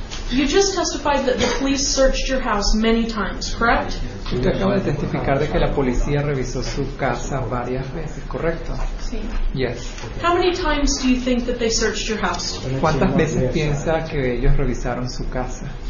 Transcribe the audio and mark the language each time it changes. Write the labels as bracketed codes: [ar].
[en] You just testified that the police searched your house many times, correct? [es] Usted acaba de testificar de que la policía revisó su casa varias veces, ¿correcto? Sí. [en] Yes. How many times do you think that they searched your house? [es] ¿Cuántas veces piensa que ellos revisaron su casa?